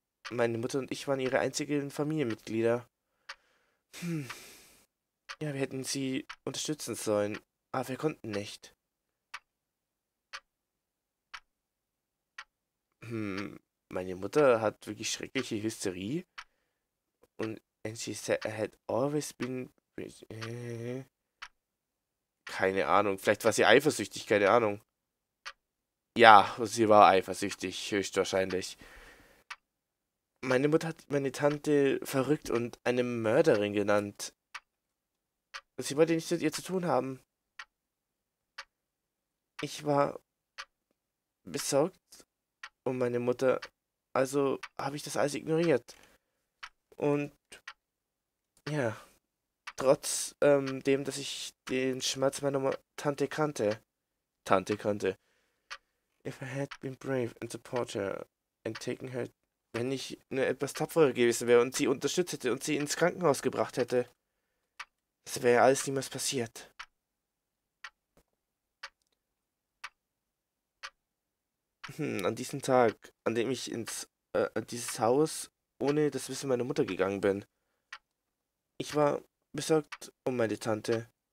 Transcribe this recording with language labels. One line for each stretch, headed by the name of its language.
German: Meine Mutter und ich waren ihre einzigen Familienmitglieder. Ja, wir hätten sie unterstützen sollen, aber wir konnten nicht. Meine Mutter hat wirklich schreckliche Hysterie.
English: Und and she said I had always been pretty.
German: Keine Ahnung, vielleicht war sie eifersüchtig, keine Ahnung. Ja, sie war eifersüchtig, höchstwahrscheinlich. Meine Mutter hat meine Tante verrückt und eine Mörderin genannt. Sie wollte nichts mit ihr zu tun haben. Ich war besorgt um meine Mutter, also habe ich das alles ignoriert. Und ja, trotz dem, dass ich den Schmerz meiner Tante kannte. Tante kannte.
English: If I had been brave and support her and taken her.
German: Wenn ich nur etwas tapferer gewesen wäre und sie unterstützt hätte und sie ins Krankenhaus gebracht hätte, es wäre alles niemals passiert. An diesem Tag, an dem ich an dieses Haus ohne das Wissen meiner Mutter gegangen bin, ich war besorgt um meine Tante.